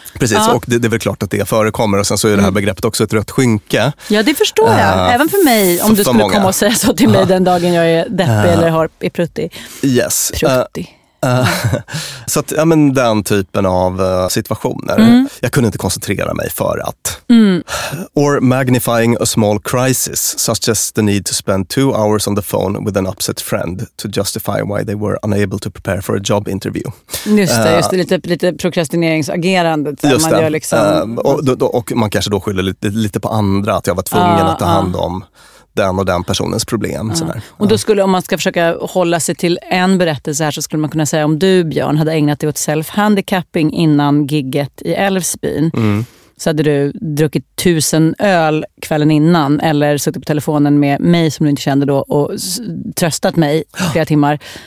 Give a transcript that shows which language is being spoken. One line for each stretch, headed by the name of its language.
Swedish: Precis, och det är väl klart att det förekommer. Och sen så är det här begreppet också ett rött skynke. Ja, det förstår jag. Även för mig, om du skulle många. Komma och säga så till mig den dagen jag är deppig eller är pruttig.
English: Yes.
Swedish: Pruttig. Så att, ja men den typen av situationer. Mm. Jag kunde inte koncentrera mig för att... Mm.
English: Or magnifying a small crisis, such as the need to spend 2 hours on the phone with an upset friend to justify why they were unable to prepare for a job interview.
Swedish: Just det, lite prokrastineringsagerandet. Just man gör liksom... och man kanske då skyller lite på andra, att jag var tvungen att ta hand om... den och den personens problem. Sådär. Och då skulle, om man ska försöka hålla sig till en berättelse här, så skulle man kunna säga om du, Björn, hade ägnat dig åt self-handicapping innan gigget i Älvsbyn, så hade du druckit 1000 öl kvällen innan eller suttit på telefonen med mig som du inte kände då och tröstat mig flera timmar.